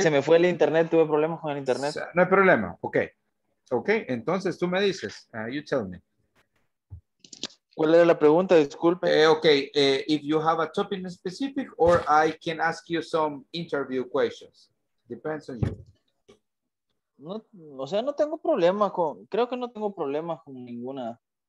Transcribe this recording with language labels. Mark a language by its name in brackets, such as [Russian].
[Spanish] Se me fue el internet, tuve problemas con el internet. No hay problema. Okay. Okay, entonces tú me dices, [English] you tell me. [Spanish] ¿Cuál era la pregunta? Disculpe. [English] Okay, if you have a topic in specific, or I can ask you some interview questions. Depends on you. [Spanish] No, o sea, no tengo problema con, creo que no tengo problema con ninguna.